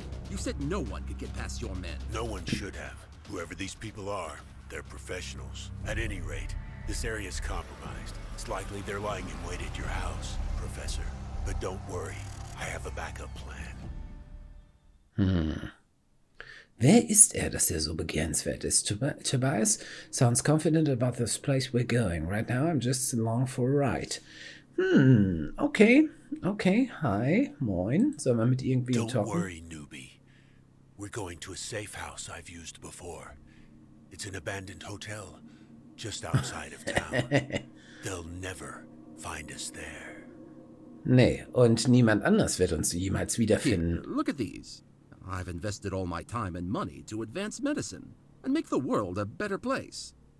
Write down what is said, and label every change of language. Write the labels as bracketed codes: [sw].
[en] You said no one could get past your men. No one should have. Whoever these people are, they're professionals. At any rate, this area is compromised. It's likely they're lying in wait at your house, Professor. But don't worry, I have a backup plan. [de] Wer ist er, dass er so begehrenswert ist? [en] Tobias sounds confident about this place we're going. Right now I'm just along for a ride. [de] Okay. Okay, hi. Moin. Sollen wir mit irgendwie talken? [en] Don't worry, newbie. We're going to a safe house I've used before. It's an abandoned hotel just outside of town. They'll never find us there. [de] Nee, und niemand anders wird uns jemals wiederfinden. [en] Here, look at these. I've invested all my time and money to advance medicine and make the world a better place.